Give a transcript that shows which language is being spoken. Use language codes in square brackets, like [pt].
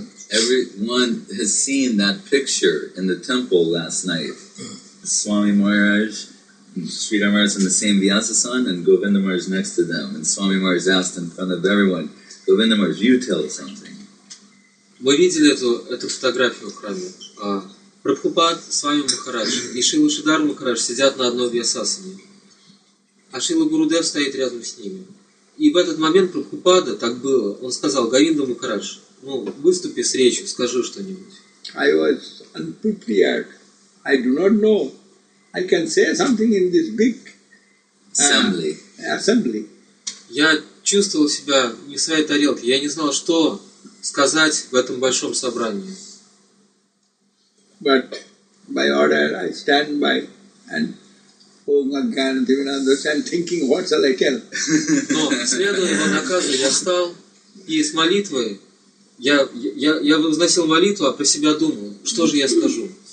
[en] Everyone has seen that picture in the temple last night. Swami Maharaj, Sridhar Maharaj is in the same Vyasasana, and Govinda Maharaj is next to them. And Swami Maharaj asked in front of everyone, Govinda Maharaj, you tell something. [ru] Вы видели эту фотографию в храме? Прабхупад, Свами Махарадж и Шрила Шридхар Махарадж сидят на одной Вьясасане. А Шрила Гурудев стоит рядом с ними. И в этот момент Прабхупада, так было, он сказал, Говинда Махарадж, ну, выступи с речью, скажи что-нибудь. [en] I was unprepared. I do not know. I can say something in this big assembly. [ru] Я чувствовал себя не в своей тарелке. Я не знал, что сказать в этом большом собрании. [en] But by order, I stand by and holding my hand and giving others and thinking, what shall I tell? [ru] Но следуя его наказу, я встал и с молитвой я возносил молитву, а про себя думал, что же я скажу.